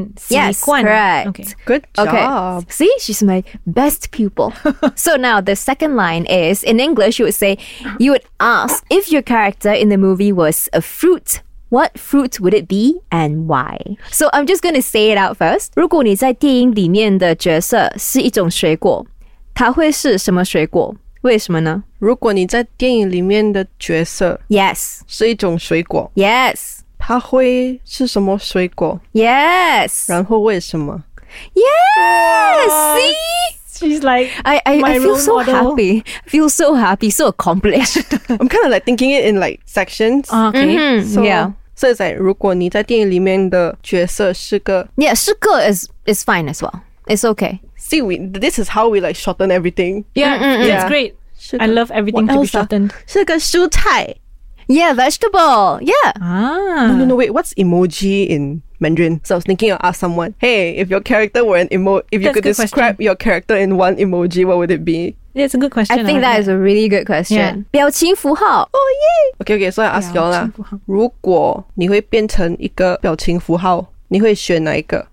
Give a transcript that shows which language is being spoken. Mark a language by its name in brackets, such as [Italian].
[English] Yes, correct. Okay. Good job. Okay. See, she's my best pupil. So now the second line is, in English, you would ask, if your character in the movie was a fruit, what fruit would it be and why? So I'm just going to say it out first. [Chinese] 如果你在电影里面的角色是一种水果, 它会是什么水果? 为什么呢? 如果你在电影里面的角色, [English] yes, [Chinese] 是一种水果, [English] yes, [Chinese] 它会是什么水果? [English] Yes. [Chinese] 然后为什么? [English] Yes! Oh, see? She's like, I feel so happy, so accomplished. I'm kind of like thinking it in like sections. Okay. Mm-hmm. So, yeah. So it's like, [Chinese] 如果你在电影里面的角色是个... [English] Yeah, [Chinese] 是个 [English] is fine as well. It's okay. See, this is how we like shorten everything. Yeah, it's great. [Chinese] 是个, [English] I love everything to be shortened. [Chinese] 是个蔬菜. [English] Yeah, vegetable. Yeah. Ah. No, wait. What's emoji in Mandarin? So I was thinking I'll ask someone, hey, if your character were an emoji, if you That's could describe question. Your character in one emoji, what would it be? Yeah, it's a good question. I think that is a really good question. Yeah. [Chinese] 表情符号. [English] Oh, yay. Okay, so I ask y'all. [Chinese] 如果你会变成一个表情符号, 你会选哪一个?